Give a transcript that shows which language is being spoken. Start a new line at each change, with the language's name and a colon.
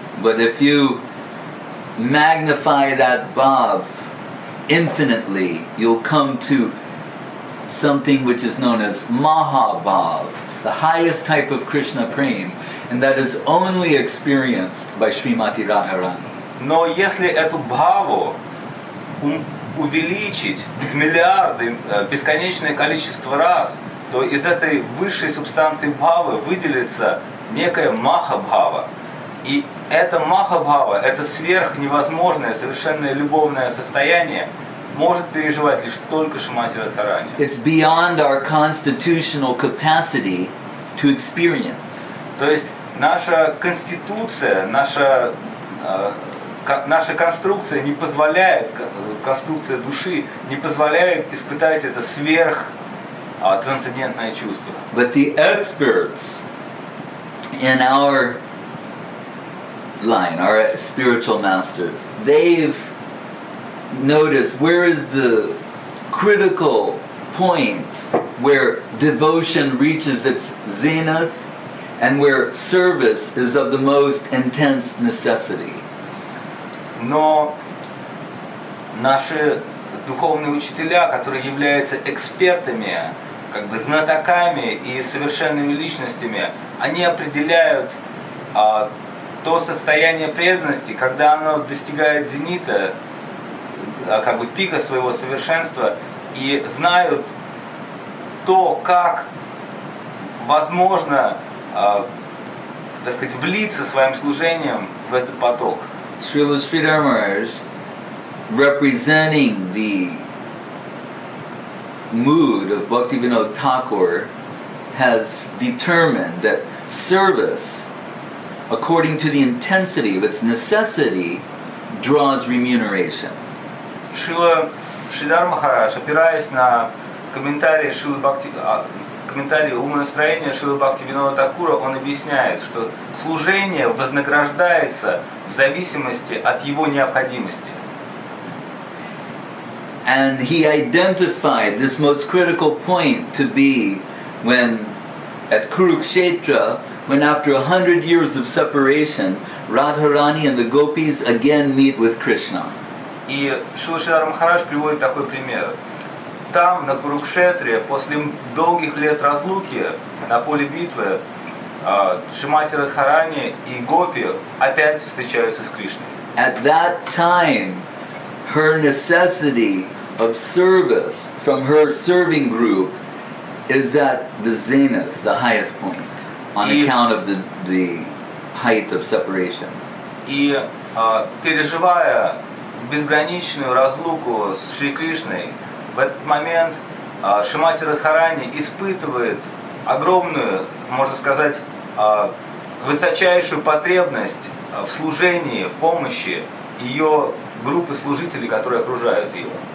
English: But if you magnify that bhav infinitely, you'll come to something which is known as mahabhav, the highest type of Krishna prem, and that is only experienced by Srimati Radharani.
Russian: Но если эту бхаву увеличить в миллиарды, бесконечное количество раз, то из этой высшей субстанции бхавы выделится некая махабхава. И эта махабхава, это сверхневозможное, совершенное любовное состояние, может переживать лишь только Шримати Радхарани.
English: It's beyond our constitutional capacity to experience.
Russian: То есть наша конституция, наша конструкция не позволяет, конструкция души не позволяет испытать это сверх трансцендентное чувство.
English: But the experts in our line, our spiritual masters, they've noticed where is the critical point where devotion reaches its zenith and where service is of the most intense necessity.
Russian: Но наши духовные учителя, которые являются экспертами, как бы знатоками и совершенными личностями, они определяют то состояние преданности, когда оно достигает зенита, как бы пика своего совершенства, и знают то, как возможно, так сказать, влиться своим служением в этот поток.
English: Srila Sridhar Maharaj, representing the mood of Bhaktivinoda Thakur, has determined that service, according to the intensity of its necessity, draws remuneration.
Russian: Srila Sridhar Maharaj, опираясь на комментарии умонастроения Шрилы Бхактивинода Такура, он объясняет, что служение вознаграждается в зависимости от его необходимости.
English: And he identified this most critical point to be when at Kurukshetra, when after 100 years of separation, Radharani and the gopis again meet with Krishna.
Russian: И Шрила Шридхар Махарадж приводит такой пример. Там, на Курукшетре, после долгих лет разлуки на поле битвы, Шримати Радхарани и гопи опять встречаются с Кришной.
English: At that time, her necessity of service from her serving group is at the zenith, the highest point, on account of the height of separation.
Russian: И переживая безграничную разлуку с Шри Кришной, в этот момент Шримати Радхарани испытывает огромную, можно сказать, высочайшую потребность в служении, в помощи ее группы служителей, которые окружают ее.